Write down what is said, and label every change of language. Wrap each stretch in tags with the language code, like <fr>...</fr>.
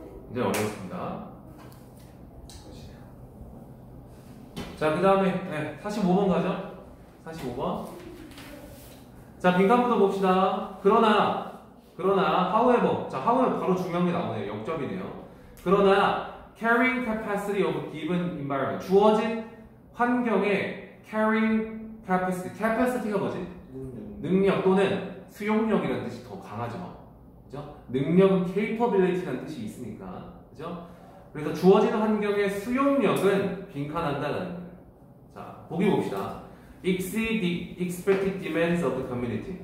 <ko>이제 어려웠습니다. 자, 그 다음에 네, 45번 가죠. 45번. 자, 빈칸부터 봅시다. 그러나, 그러나, however. 자, however 바로 중요한 게 나오네요. 역점이네요. 그러나,</ko> <en>caring capacity of given environment.</en> <ko>주어진 환경에 caring capacity. capacity가 뭐지? 능력 또는 수용력이라는 뜻이 더 강하죠. 그죠? 능력은 capability라는 뜻이 있으니까. 그죠? 그래서 주어진 환경의 수용력은 빈칸한다는. 자, 보기 봅시다.</ko> <en>Exceed the expected demands of the community.</en>